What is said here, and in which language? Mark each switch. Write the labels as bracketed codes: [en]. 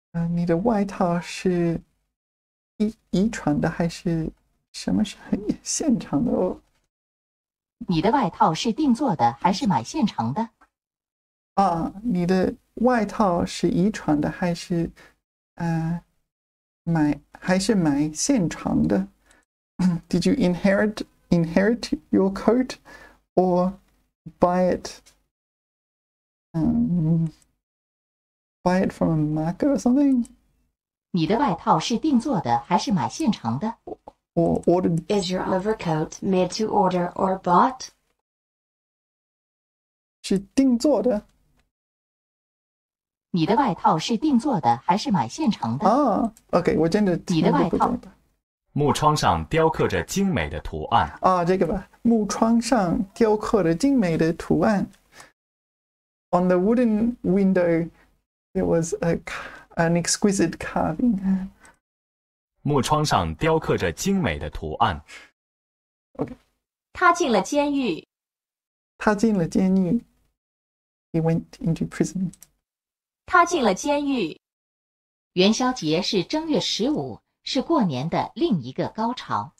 [zh] 你的外套是遗传的还是什么是现成的？你的外套是定做的还是买现成的？你的外套是遗传的还是买现成的？ [en] Did you inherit your coat or buy it from a market or something? [zh] 你的外套是定做的还是买现成的？ [en] Or ordered? Is your overcoat made to order or bought? [zh] 是定做的。你的外套是定做的还是买现成的？ OK， 我真的听得不懂。你的外套。木窗上雕刻着精美的图案。这个吧，木窗上雕刻着精美的图案。 [en] On the wooden window, there was an exquisite carving. [zh] 木窗上雕刻着精美的图案。 OK，他进了监狱。他进了监狱。 [en] He went into prison. [zh] 他进了监狱。元宵节是正月十五，是过年的另一个高潮。